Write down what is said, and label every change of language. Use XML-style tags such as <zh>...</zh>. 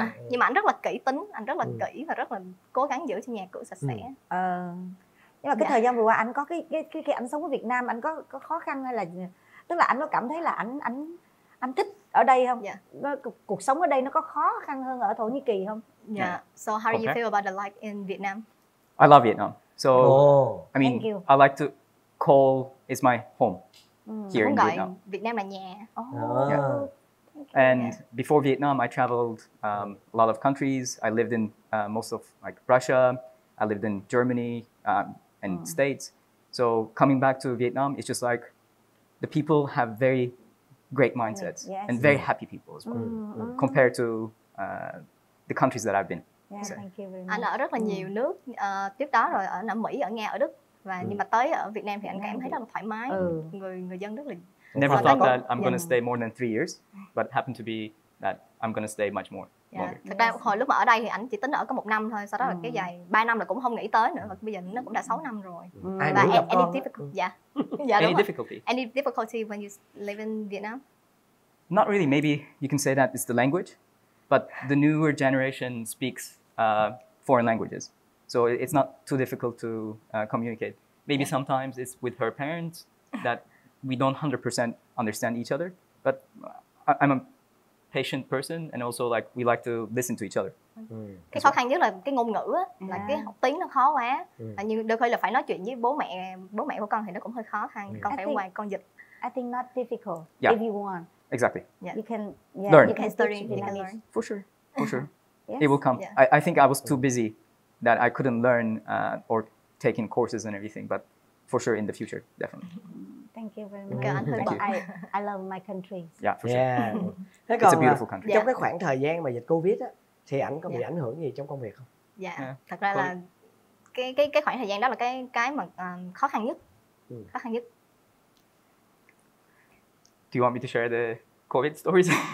<vi>Nhưng mà anh rất là kỹ tính, anh rất là kỹ và rất là cố gắng giữ cho nhà cửa sạch sẽ. Nhưng mà cái thời gian vừa qua anh có cái anh sống ở Việt Nam anh có khó khăn hay là tức là anh có cảm thấy là anh thích ở đây không? Cuộc sống ở đây nó có khó khăn hơn ở Thổ Nhĩ Kỳ không?</vi> <en>Yeah. So how do you feel about the life in Vietnam? I love Vietnam. So I mean, I like to call it my home. Here in Vietnam.</en> <vi>Vietnam là nhà.</vi> <en>And before Vietnam, I traveled a lot of countries. I lived in most of like Russia. I lived in Germany and States. So coming back to Vietnam, it's just like the people have very great mindsets and very happy people as well compared to the countries that I've been.</en> <vi>Anh ở rất là nhiều nước tiếp đó rồi ở Nam Mỹ, ở Nga, ở Đức. Và nhưng mà tới ở Việt Nam thì anh cảm thấy rất là thoải mái. Người dân rất là</vi> <en>never thought that I'm gonna stay more than 3 years, but happened to be that I'm gonna stay much more.</en> <vi>Thật ra hồi lúc mà ở đây thì anh chỉ tính ở có một năm thôi, sau đó là cái dài 3 năm là cũng không nghĩ tới nữa, và bây giờ nó cũng đã 6 năm rồi. Và</vi> <en>any difficulty? Any difficulty? Any difficulty when you live in Vietnam? Not really. Maybe you can say that it's the language, but the newer generation speaks foreign languages. So it's not too difficult to communicate. Maybe sometimes it's with her parents that we don't 100% understand each other. But I'm a patient person and also like we like to listen to each other.</en> <vi>Cái khó khăn nhất là cái ngôn ngữ á, là cái học tiếng nó khó quá. Nhưng đôi khi là phải nói chuyện với bố mẹ của con thì nó cũng hơi khó khăn. Con phải ngoài con dịch.</vi> <en>I think not difficult if you want. Exactly. You can learn. You can study. For sure. For sure. It will come. I think I was too busy that I couldn't learn or take in courses and everything, but for sure in the future, definitely. Thank you very much. I love my country. Yeah, for sure. It's a beautiful country.</en> <vi>Trong cái khoảng thời gian mà dịch Covid á, thì ảnh có bị ảnh hưởng gì trong công việc không? Thật ra là cái khoảng thời gian đó là cái mà khó khăn nhất. Khó khăn nhất.</vi> <en>Do you want me to share the Covid stories?</en>